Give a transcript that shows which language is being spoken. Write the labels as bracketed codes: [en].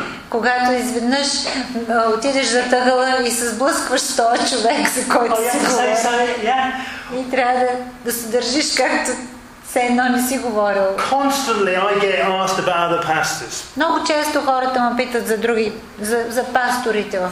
[bg] Когато изведнъж отидеш за тъгъла и се сблъскваш с този човек, за който си говорил. И трябва да се държиш както все едно не си говорил. [en] Constantly I get asked about other pastors. [bg] Много често хората ме питат за други, за пасторите в